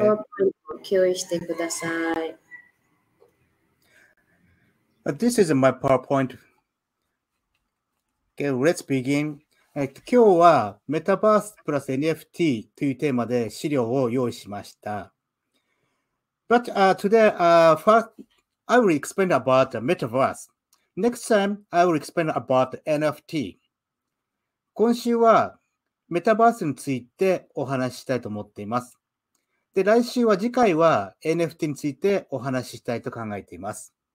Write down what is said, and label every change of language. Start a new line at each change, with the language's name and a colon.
Japanese: PowerPoint を共有してください。
English: This is my PowerPoint. Okay, let's begin.
Japanese: 今日はメタバースプラス NFT というテーマで資料を用意しました。
English: But today, first, I will explain about the Metaverse. Next time, I will explain about the NFT.
Japanese: 今週はメタバースについてお話ししたいと思っています。で、来週は次回は NFT についてお話ししたいと考えています。